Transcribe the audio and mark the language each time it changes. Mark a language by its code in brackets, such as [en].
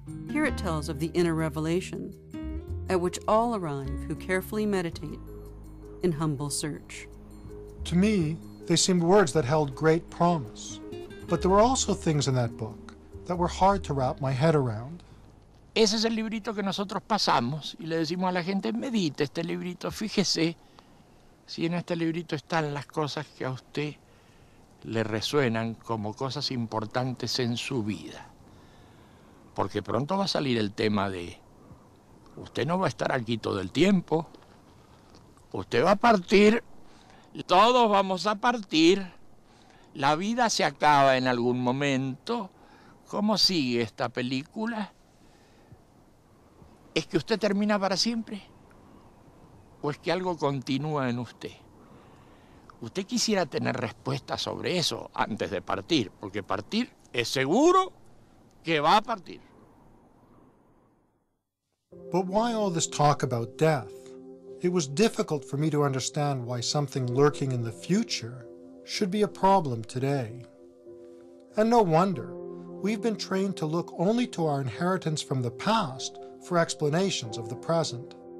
[en] Here it tells of the inner revelation, at which all arrive who carefully meditate in humble search. To me, they seemed words that held great promise. But there were also things in that book that were hard to wrap my head around. [es] Ese es el librito que nosotros pasamos y le decimos a la gente, medite este librito, fíjese si en este librito están las cosas que a usted le resuenan como cosas importantes en su vida. Porque pronto va a salir el tema de, usted no va a estar aquí todo el tiempo, usted va a partir, todos vamos a partir, la vida se acaba en algún momento, ¿cómo sigue esta película? ¿Es que usted termina para siempre? ¿O es que algo continúa en usted? Usted quisiera tener respuesta sobre eso antes de partir, porque partir es seguro que va a partir. [en] But why all this talk about death? It was difficult for me to understand why something lurking in the future should be a problem today. And no wonder, we've been trained to look only to our inheritance from the past for explanations of the present.